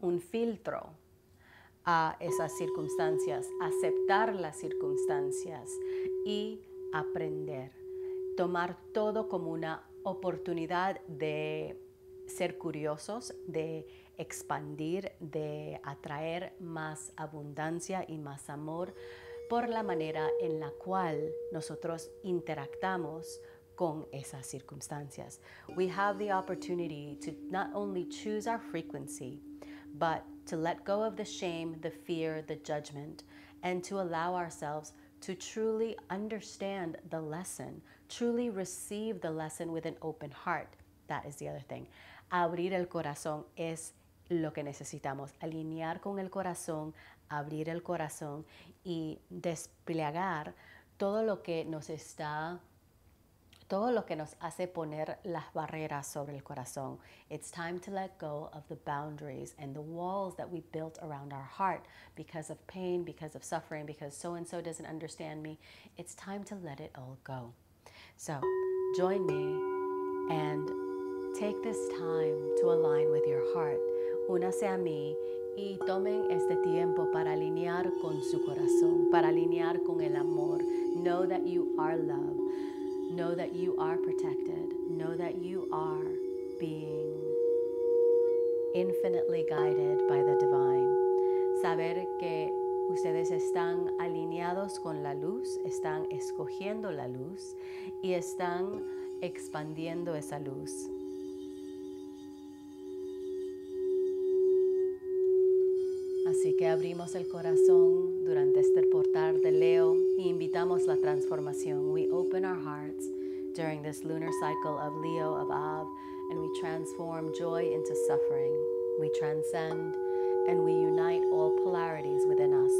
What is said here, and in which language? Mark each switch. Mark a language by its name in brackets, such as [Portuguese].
[Spanish] filtro a esas circunstancias, aceptar las circunstancias y aprender, tomar todo como una oportunidad de ser curiosos, de expandir, de atraer más abundancia y más amor por la manera en la cual nosotros interactuamos con esas circunstancias. [English] We have the opportunity to not only choose our frequency, but to let go of the shame, the fear, the judgment, and to allow ourselves to truly understand the lesson, truly receive the lesson with an open heart. That is the other thing. [Spanish] Abrir el corazón es lo que necesitamos. Alinear con el corazón, abrir el corazón y desplegar todo lo que nos hace poner las barreras sobre el corazón. [English] It's time to let go of the boundaries and the walls that we built around our heart because of pain, because of suffering, because so-and-so doesn't understand me. It's time to let it all go. So join me and take this time to align with your heart. [Spanish] Únase a mí y tomen este tiempo para alinear con su corazón, para alinear con el amor. [English] Know that you are love. Know that you are protected. Know that you are being infinitely guided by the divine. [Spanish] Saber que ustedes están alineados con la luz, están escogiendo la luz y están expandiendo esa luz. Así que abrimos el corazón durante este portal de Leo e invitamos la transformación. [English] We open our hearts during this lunar cycle of Leo, of Av, and we transform joy into suffering. We transcend and we unite all polarities within us.